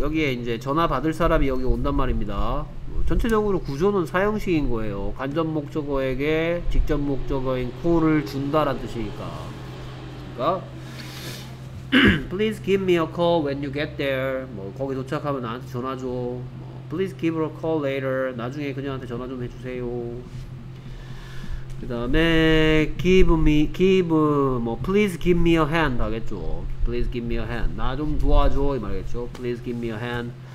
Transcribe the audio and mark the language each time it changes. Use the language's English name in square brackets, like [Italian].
[Korean] 여기에 이제 전화 받을 사람이 여기 온단 말입니다. 전체적으로 구조는 사형식인 거예요. 간접 목적어에게 직접 목적어인 call을 준다란 뜻이니까. [English] 그러니까 Please give me a call when you get there. [Korean] 뭐 거기 도착하면 나한테 전화줘. [English] 뭐 Please give her a call later. [Korean] 나중에 그녀한테 전화 좀 해주세요. 그 다음에 [English] please give me a hand [Korean] 하겠죠. [English] please give me a hand [Korean] 나 좀 도와줘 이 말이겠죠. [English] please give me a hand.